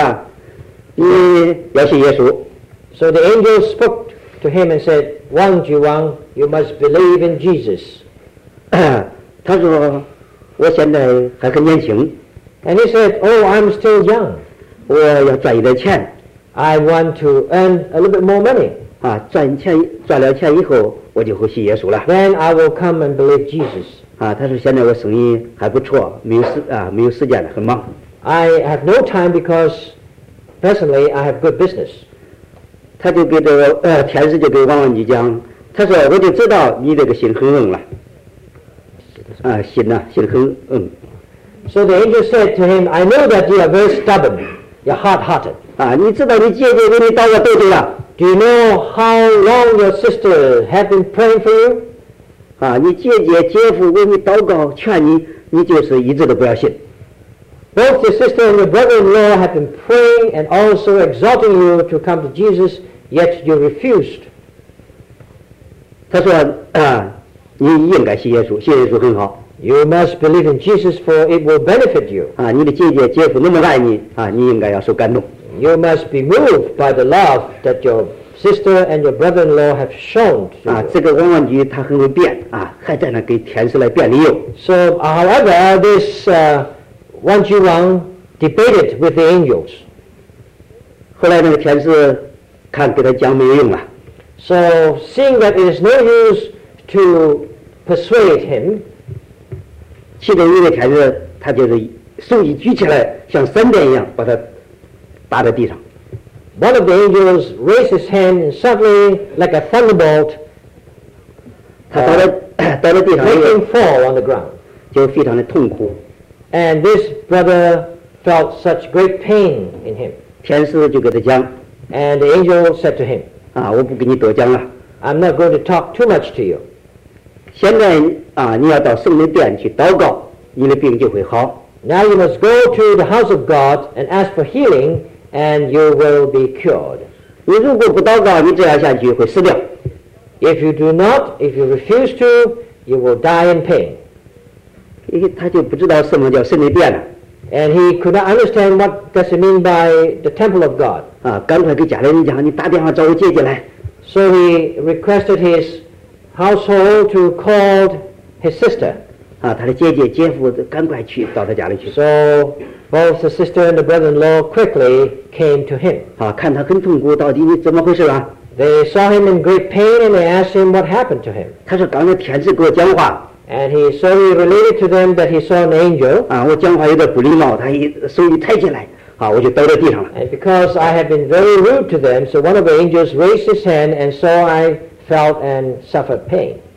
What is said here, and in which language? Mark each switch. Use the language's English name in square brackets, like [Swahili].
[Chinese] 他跟他讲，他说王万菊啊，你要信耶稣。 [English] So the angel spoke to him and said, Wang Ji Wang, you must believe in Jesus. [Chinese] 他说，我现在还很年轻。 [English] And he said, oh, I'm still young. [Chinese] 我要赚一点钱。 [English] I want to earn a little bit more money. [Chinese] 赚了钱以后，我就会信耶稣了。 [English] Then I will come and believe Jesus. [Chinese] 他说现在我生意还不错，没有时间了，很忙。 [English] I have no time because personally I have good business. [Chinese] 他就给这个天使就给王文吉讲，他说我就知道你这个心很硬了。心很硬。 [English] So the angel said to him, I know that you are very stubborn, you're hard-hearted. [Chinese] 你知道你姐姐给你祷告多久了？ [English] Do you know how long your sister had been praying for you? [Chinese] 啊，你姐姐、姐夫为你祷告劝你，你就是一直都不要信。 [English] Both your sister and your brother-in-law have been praying and also exhorting you to come to Jesus, yet you refused. [Chinese] 他说，你应该信耶稣，信耶稣很好。 [English] You must believe in Jesus for it will benefit you. [Chinese] 啊，你的姐姐、姐夫那么爱你，啊，你应该要受感动。 [English] You must be moved by the love that your sister and your brother-in-law have shown. [Chinese] 啊，这个王文菊他很会变，啊，还在那给天使来变理由。 [English] So, however, this, Wang Jiwang debated with the angels. [Chinese] 后来那个天使看给他讲没有用了。 [English] So seeing that it is no use to persuade him, [Chinese] 其中一个天使他就是手一举起来，像闪电一样把他打在地上。 [English] One of the angels raised his hand and suddenly, like a thunderbolt, [Chinese] 他打在地上 [English] making fall on the ground, [Chinese] 就非常的痛苦。 [English] And this brother felt such great pain in him. [Chinese] 天使就给他讲。 [English] And the angel said to him, [Chinese] 啊，我不跟你多讲了。 [English] I'm not going to talk too much to you. [Chinese] 现在啊，你要到圣灵殿去祷告，你的病就会好。 [English] Now you must go to the house of God and ask for healing, and you will be cured. [Chinese] 你如果不祷告，你这样下去会死掉。 [English] If you do not, if you refuse to, you will die in pain. [Chinese] 他就不知道什么叫圣灵殿了。 [English] And he could not understand what does it mean by the temple of God. [Chinese] 啊，赶快给家里人讲，你打电话找我姐姐来。 [English] So he requested his household to call his sister. [Chinese] 啊，他的姐姐、姐夫赶快去到他家里去。 [English] So both the sister and the brother-in-law quickly came to him. [Chinese] 啊，看他很痛苦，到底你怎么回事啊？ [English] They saw him in great pain and they asked him what happened to him. [Chinese] 他说刚才天使给我讲话。 [English] And he so he related to them that he saw an angel. [Chinese] 啊，我讲话有点不礼貌，他一手一抬起来，啊，我就倒在地上了。 [English] And because I had been very rude to them, so one of the angels raised his hand, and so I felt and suffered pain.